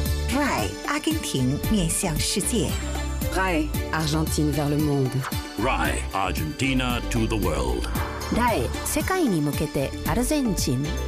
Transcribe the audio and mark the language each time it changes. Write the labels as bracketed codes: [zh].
[zh] RAE, Argentina, 面向世界. [fr] RAE, Argentina vers le monde. [en] RAE, Argentina to the world. [ja] RAE, 世界に向けて, Argentina.